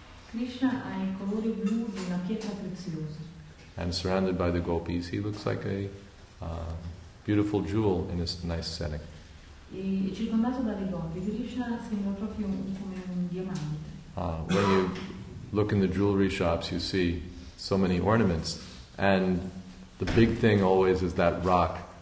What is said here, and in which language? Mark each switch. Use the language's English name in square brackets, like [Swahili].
[Italian] Krishna ha il colore blu di una pietra preziosa. [English] And surrounded by the gopis, he looks like a beautiful jewel in this nice setting. [Italian] E circondato dalle gopi, Krishna sembra proprio come un diamante. [English] When you look in the jewelry shops, you see so many ornaments, and the big thing always is that rock.